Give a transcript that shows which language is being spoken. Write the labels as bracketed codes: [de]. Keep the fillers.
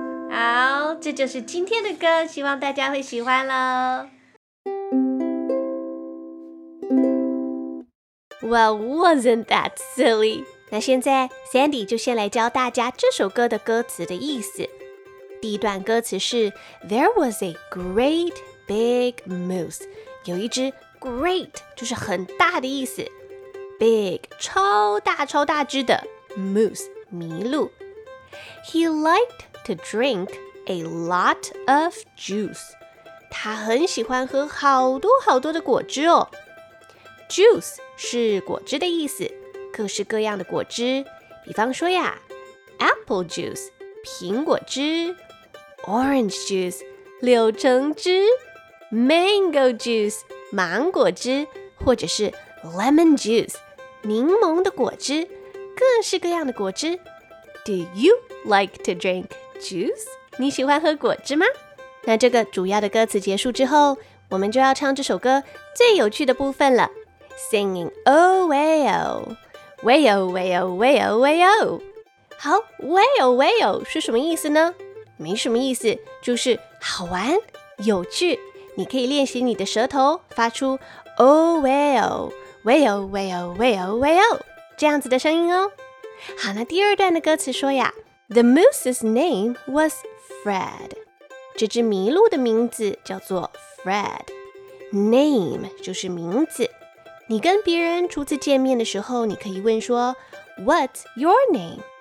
[zh] 好，这就是今天的歌，希望大家会喜欢喽。 [en] Well, wasn't that silly? [zh] 那现在，Sandy 就先来教大家这首歌的歌词的意思。第一段歌词是： [en] There was a great big moose。 [zh] 有一只 great 就是很大的意思，big 超大超大只的 moose 麋鹿。 [en] He liked to drink a lot of juice。 [zh] 他很喜欢喝好多好多的果汁哦。Juice 是果汁的意思。各式各样的果汁，比方说呀，apple juice（ 苹果汁）、orange juice（ 柳橙汁）、mango juice（ 芒果汁）或者是 lemon juice（ 柠檬的果汁）。各式各样的果汁。 [en] Do you like to drink juice？ [zh] 你喜欢喝果汁吗？那这个主要的歌词结束之后，我们就要唱这首歌最有趣的部分了， [en] singing oh well。 w 哦喂 l w 哦喂 l w l w l 好 w 哦喂 l w l 是什么意思呢？ [zh] 没什么意思，就是好玩、有趣。你可以练习你的舌头发出 [en] Oh, well, well, well, well, well [zh] 这样子的声音哦。好，那第二段的歌词说呀， [en] The moose's name was Fred。 [zh] 这只麋鹿的名字叫做 Fred。 Name 就是名字。你跟别人初次见面的时候，你可以问说， [en] What's your name?